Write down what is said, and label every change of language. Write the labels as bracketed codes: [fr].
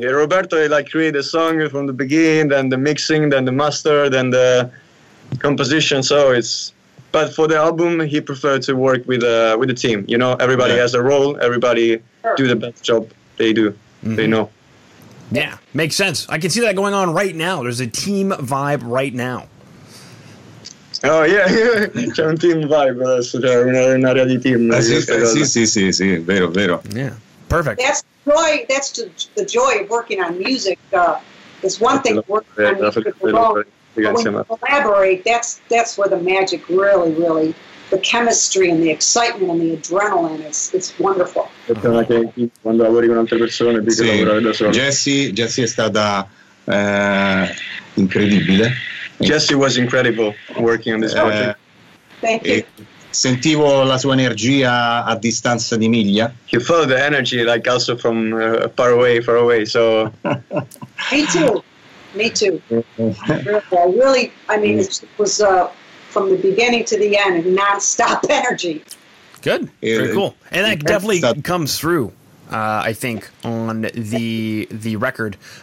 [en] Roberto like create a song from the beginning, then the mixing, then the master, then the composition. So it's, but for the album he preferred to work with the team, you know, everybody has a role, everybody do the best job they do, they know. Yeah, makes sense. I can see that going on right now. There's a team vibe right now. Oh yeah, [it] c'è un team vibe, cioè un'area di team. Sì, vero. [en] Yeah, perfect. That's the joy of working on music. It's one thing working on music, but when you collaborate, that's where the magic really, really, the chemistry and the excitement and the adrenaline is wonderful. [it] Quando lavori con altre persone, devi lavorare da solo. Jessie è stata incredibile. [en] Jessie was incredible working on this project. Thank you. [it] Sentivo la sua energia a distanza di miglia. [en] You felt the energy like also from far away, so. Me too. Really, I mean, it was from the beginning to the end, non-stop energy. Good, very cool. And that definitely comes through, I think, on the record.